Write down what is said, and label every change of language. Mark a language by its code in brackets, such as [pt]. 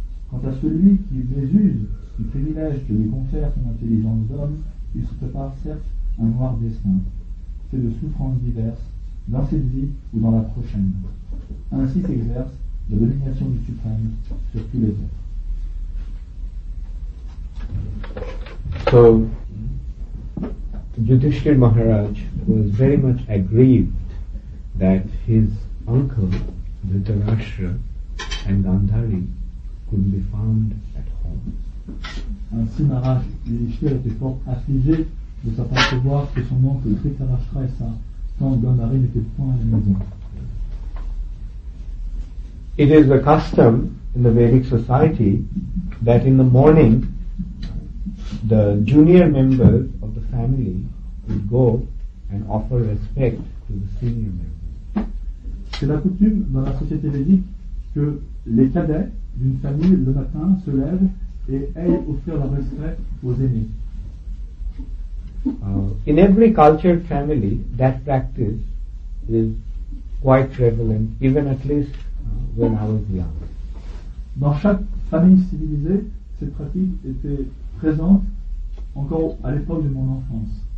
[fr] Quant à celui qui mésuse du privilège que lui confère son intelligence d'homme, il se prépare certes un noir destin. C'est de souffrances diverses, dans cette vie ou dans la prochaine. Ainsi s'exerce la domination du Suprême sur tous les êtres. [en] So, Yudhishthir Maharaj was very much aggrieved that his uncle, Dhritarashtra and Gandhari, couldn't be found at home. [fr] Ainsi Maharaj Yudhishthir était fort affligé de s'apercevoir que son oncle Dhritarashtra et sa tante Gandhari n'étaient point à la maison. [en] It is a custom in the Vedic society that in the morning the junior members of the family would go and offer respect to the senior members. [fr] C'est la coutume dans la société védique que les cadets d'une famille le matin se lèvent et aillent offrir leur respect aux aînés. [en] In every cultured family, that practice is quite prevalent, even at least when I was young. [fr] Dans chaque famille civilisée, cette pratique était présente encore à l'époque de mon enfance.